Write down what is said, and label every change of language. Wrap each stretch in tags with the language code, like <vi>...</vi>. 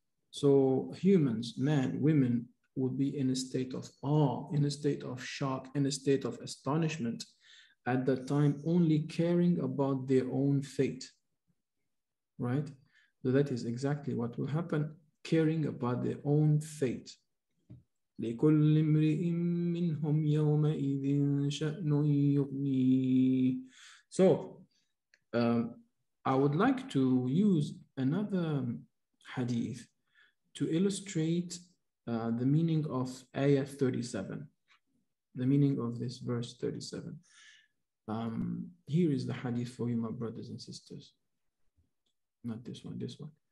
<en>So humans, men, women, will be in a state of awe, in a state of shock, in a state of astonishment at that time only caring about their own fate, right? So that is exactly what will happen, caring about their own fate.</en> <ar>لكل امرئ منهم يومئذ شأن يغنيه.</ar> <en>So, I would like to use another hadith to illustrate the meaning of ayah 37, the meaning of this verse 37. Here is the hadith for you, my brothers and sisters. Not this one, this one.</en>